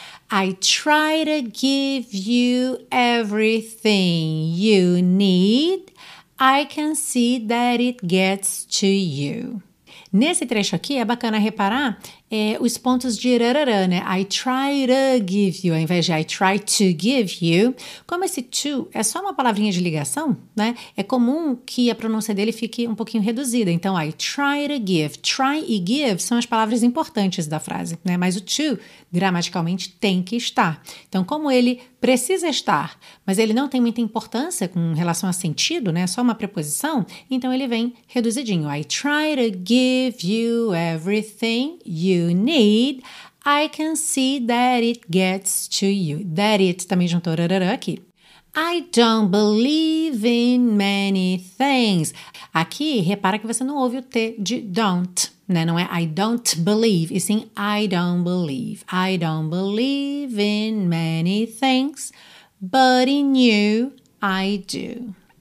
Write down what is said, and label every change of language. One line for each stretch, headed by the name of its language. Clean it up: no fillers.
English: I try to give you everything you need. I can see that it gets to you.
Portuguese: Nesse trecho aqui, é bacana reparar os pontos de rarara, né?
English: I try to give you,
Portuguese: ao invés de
English: I try to give you.
Portuguese: Como esse to é só uma palavrinha de ligação, né? É comum que a pronúncia dele fique um pouquinho reduzida. Então,
English: I try to give.
Portuguese: Try e give são as palavras importantes da frase, né? Mas o to, gramaticalmente, tem que estar. Então, como ele precisa estar, mas ele não tem muita importância com relação a sentido, né? Só uma preposição. Então, ele vem reduzidinho.
English: I try to give you everything you need, I can see that it gets to you. That it
Portuguese: também juntou rarara aqui.
English: I don't believe in many things.
Portuguese: Aqui, repara que você não ouve o T de don't, né? Não é
English: I don't believe,
Portuguese: e sim
English: I don't believe. I don't believe in many things, but in you, I do.